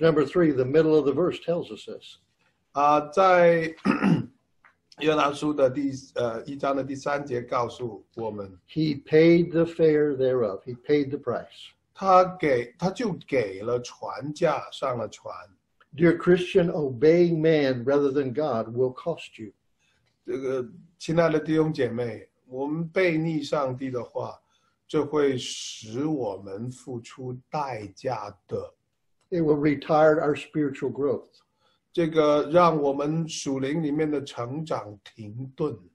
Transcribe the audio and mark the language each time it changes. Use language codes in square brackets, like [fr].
[en] number 3, the middle of the verse tells us this. [zh] 在 约拿书的第一章的第三节告诉我们, [en] He paid the fare thereof. He paid the price. [zh] 他就给了船价上了船。 [en] Dear Christian, obeying man rather than God will cost you. [zh] 亲爱的弟兄姐妹, 我们悖逆上帝的话, 就会使我们付出代价的。 [en] It will retard our spiritual growth. [zh] 这个让我们属灵里面的成长停顿,